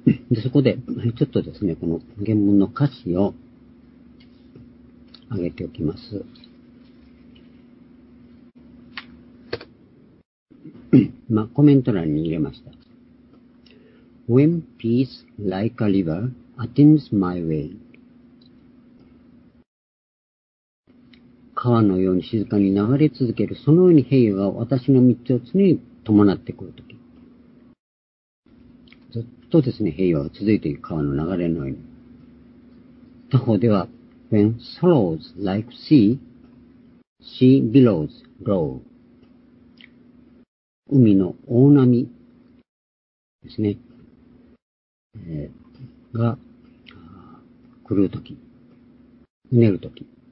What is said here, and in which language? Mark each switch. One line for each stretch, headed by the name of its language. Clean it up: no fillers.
Japanese: でそこで、ちょっとですね、この原文の歌詞を挙げておきます。まあ、コメント欄に入れました。
English: When peace like a river attends my way.
Japanese: 川のように静かに流れ続ける、そのように平和が私の道を常に伴ってくるとき。とですね、平和が続いている川の流れのように。他方では、 When sorrows like sea, sea billows roll. 海の大波ですね、が来るとき、うねるとき。